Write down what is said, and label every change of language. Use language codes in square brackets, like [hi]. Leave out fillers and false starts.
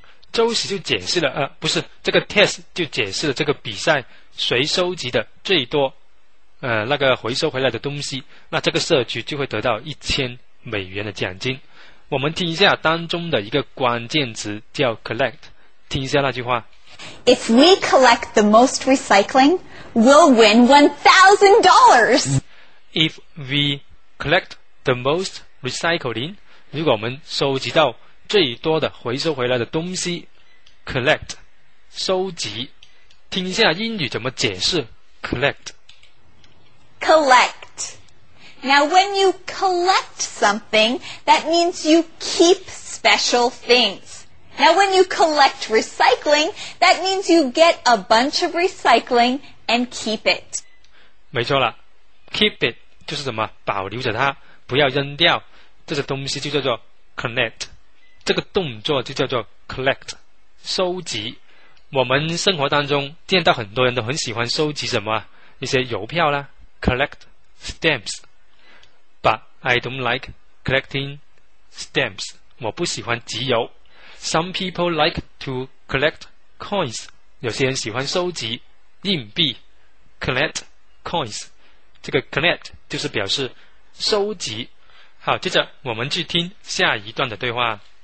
[zh] 周喜就解释了这个 test 就解释了这个比赛谁收集的最多那个回收回来的东西，那这个社区就会得到$1000的奖金。我们听一下当中的一个关键词叫 collect， 听一下那句话。 [en] If we collect the most recycling, we'll win $1,000. If we collect the most recycling, [zh] 如果我们收集到最多的回收回来的东西 collect， 收集，听一下英语怎么解释 collect。 [en] Collect. Now, when you collect something, that means you keep special things. Now, when you collect recycling, that means you get a bunch of recycling and keep it. [zh] 没错了 ， [en] keep it [zh] 就是什么保留着它，不要扔掉。这个东西就叫做 collect， 这个动作就叫做 collect， 收集。我们生活当中见到很多人都很喜欢收集什么一些邮票啦。 [en] Collect stamps, but I don't like collecting stamps. [zh] 我不喜欢集邮。 [en] Some people like to collect coins. [zh] 有些人喜欢收集硬币。 [en] Collect coins. [zh] 这个 collect 就是表示收集。好，接着我们去听下一段的对话。